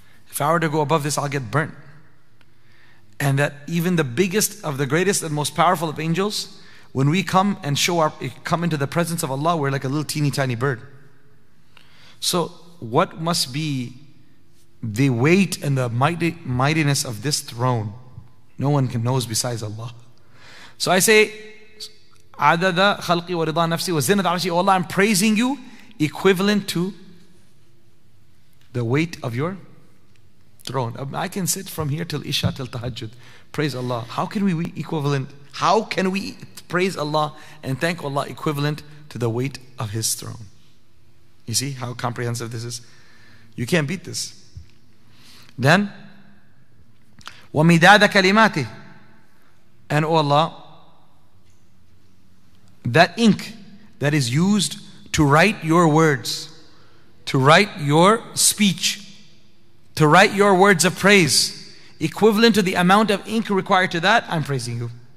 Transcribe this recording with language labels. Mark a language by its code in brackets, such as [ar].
[en] If I were to go above this, I'll get burnt. And that even the biggest of the greatest and most powerful of angels, when we come and come into the presence of Allah, we're like a little teeny tiny bird. So what must be the weight and the mightiness of this throne? No one can knows besides Allah. So I say, [ar] عَدَدَ خَلْقِي وَرِضَى نَفْسِي وَزِنَةَ عَرْشِي. [en] Oh Allah, I'm praising you equivalent to the weight of your throne. I can sit from here till Isha, till Tahajjud. Praise Allah. How can we be equivalent? How can we praise Allah and thank Allah equivalent to the weight of His throne? You see how comprehensive this is? You can't beat this. Then, [ar] وَمِدَادَ كَلِمَاتِ. [en] And oh Allah, that ink that is used to write your words, to write your speech, to write your words of praise, equivalent to the amount of ink required to that, I'm praising you.